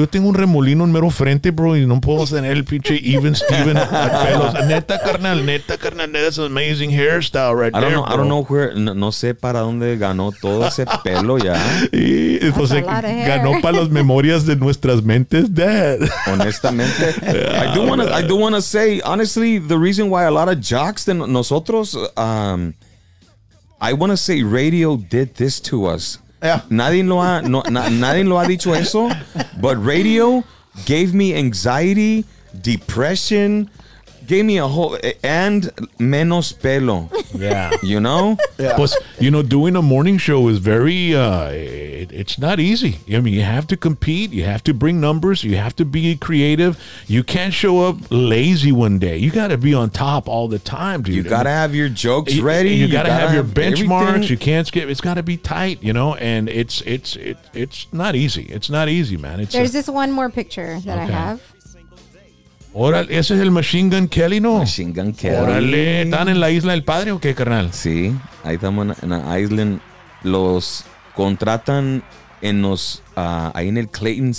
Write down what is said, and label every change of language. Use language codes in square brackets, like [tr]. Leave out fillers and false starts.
[es] Yo tengo un remolino en mero frente, bro, y no puedo tener el pinche Even Steven pelos. Neta carnal, [en] that's an amazing hairstyle right there. [es] No sé para dónde ganó todo ese pelo ya. Y pues ganó para las memorias de nuestras mentes, dad. Honestamente, [en] I do want to say, honestly, the reason why a lot of jocks than nosotros, I want to say radio did this to us. Yeah. [es] Nadie lo ha dicho eso, [en] but radio gave me anxiety, depression, gave me a whole, and [es] menos pelo. [en] Yeah. You know? Yeah. Plus, you know, doing a morning show is very, it's not easy. I mean, you have to compete. You have to bring numbers. You have to be creative. You can't show up lazy one day. You got to be on top all the time, dude. You got to have your jokes ready. You got to have your benchmarks. Everything. You can't skip. It's got to be tight, you know? And it's not easy. It's not easy, man. There's this one more picture that I have. [es] Órale, ese es el Machine Gun Kelly, ¿no? Machine Gun Kelly. Órale, ¿están en la Isla del Padre o qué, carnal? Sí, ahí estamos en la Isla. Los contratan en los, ahí en el Clayton's.